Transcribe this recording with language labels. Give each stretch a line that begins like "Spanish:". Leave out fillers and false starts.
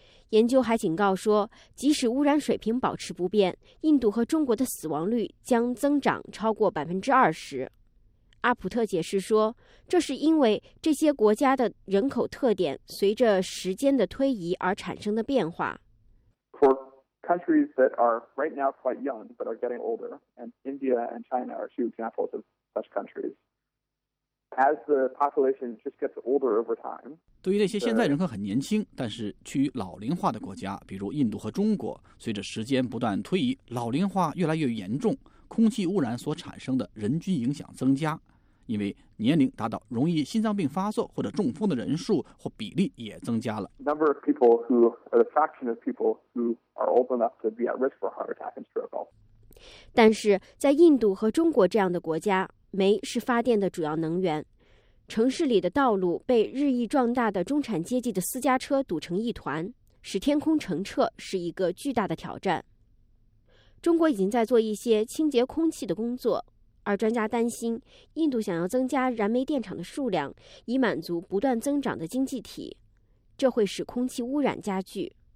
Chinese: 研究还警告说，即使污染水平保持不变，印度和中国的死亡率将增长超过20%。阿普特解释说，这是因为这些国家的人口特点随着时间的推移而产生的变化。
English: For countries that are right now quite young but are getting older, and India and China are two examples of such countries. As the population just gets older over time,
Chinese: 对于那些现在人口很年轻但是趋于老龄化的国家，比如印度和中国，随着时间不断推移，老龄化越来越严重，空气污染所产生的人均影响增加，因为年龄达到容易心脏病发作或者中风的人数或比例也增加了。
English: Number of people who are the fraction of people who are old enough to be at risk for heart attack and stroke.
Chinese: 但是在印度和中国这样的国家，煤是发电的主要能源，城市里的道路被日益壮大的中产阶级的私家车堵成一团，使天空澄澈是一个巨大的挑战。中国已经在做一些清洁空气的工作，而专家担心印度想要增加燃煤电厂的数量以满足不断增长的经济体，这会使空气污染加剧。